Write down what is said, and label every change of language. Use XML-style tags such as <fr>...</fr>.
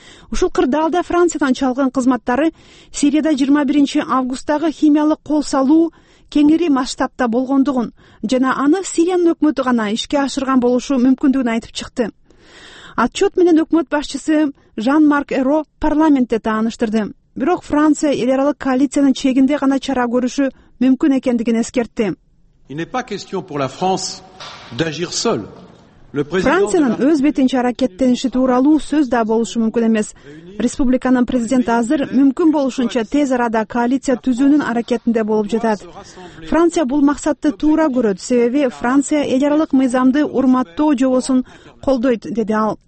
<ky>Ушул кырдаалда Франциядан чалган кызматтары Сирияда 21 августтагы химиялык кол салуу кеңири масштабта болгондугун жана аны Сириянын өкмөтү гана ишке ашырган болушу мүмкүндүгүн айтып чыкты. Отчет менен өкмөт башчысы Жан-Марк Эро парламентте тааныштырды. Бирок Франция эл аралык коалициянын чегинде гана чара көрүшү мүмкүн экендигин эскертти.</ky> <fr>Il n'est pas question pour la France d'agir seule.</fr> <ky>Франциянын өз бетинче аракеттениши тууралуу сөз да болушу мүмкүн эмес. Республиканын президенти азыр мүмкүн болушунча тез арада коалиция түзүүнүн аракетинде болуп жатат. Франция бул максатты туура көрөт, себеби Франция эл аралык мыйзамды урматтоо жобосун колдойт, деди ал.</ky>